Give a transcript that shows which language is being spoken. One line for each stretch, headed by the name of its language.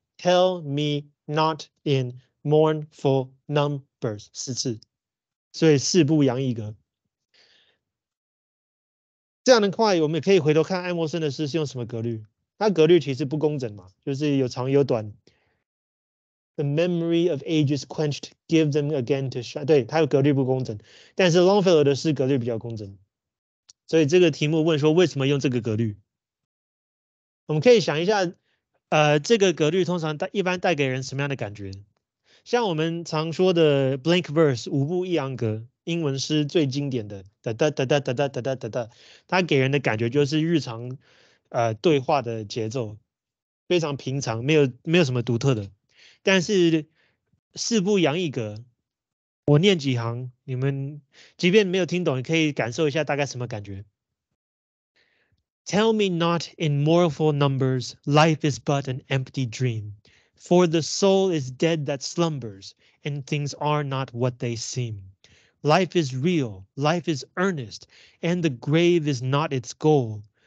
English: Tell me not in mournful numbers
Chinese: 四次，所以四部洋溢格。这样的话，我们也可以回头看爱默生的诗是用什么格律。它格律其实不工整嘛，就是有长有短。
English: The memory of ages quenched, give them again to shine.
Chinese: 对，它有格律不工整，但是 Longfellow 的诗格律比较工整。所以这个题目问说为什么用这个格律？我们可以想一下，这个格律通常一般带给人什么样的感觉？像我们常说的 blank verse 五步抑扬格，英文诗最经典的哒哒哒哒哒哒哒哒哒哒，它给人的感觉就是日常，对话的节奏非常平常，没有什么独特的。但是四步洋溢格，我念几行，你们即便没有听懂，也可以感受一下大概什么感觉。
English: Tell me not in mournful numbers, life is but an empty dream, for the soul is dead that slumbers, and things are not what they seem. Life is real, life is earnest, and the grave is not its goal.